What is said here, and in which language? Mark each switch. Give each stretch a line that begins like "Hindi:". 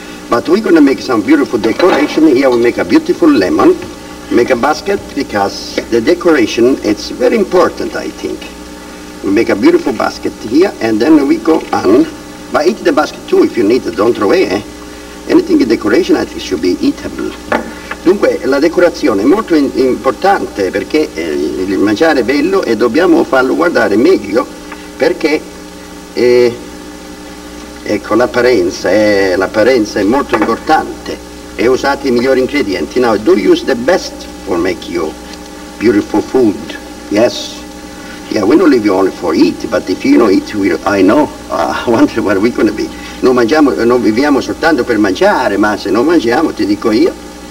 English: But we're gonna make some beautiful decoration. Here we make a beautiful lemon, make a basket, because the decoration, it's very important, I think. We make a beautiful basket here, and then we go on, but eat the basket too if you need it, don't throw away, eh? Anything in decoration, I think, should be eatable.
Italian: Dunque, la decorazione è molto importante perché il mangiare è bello e dobbiamo farlo guardare meglio perché ecco, l'apparenza è molto importante e usate i migliori ingredienti.
English: Now, do you use the best for make your beautiful food? Yes. Yeah, we don't live only for eat, but if you don't eat, I wonder what we're going to be.
Italian: Non mangiamo, non viviamo soltanto per mangiare, ma se non mangiamo, ti dico io.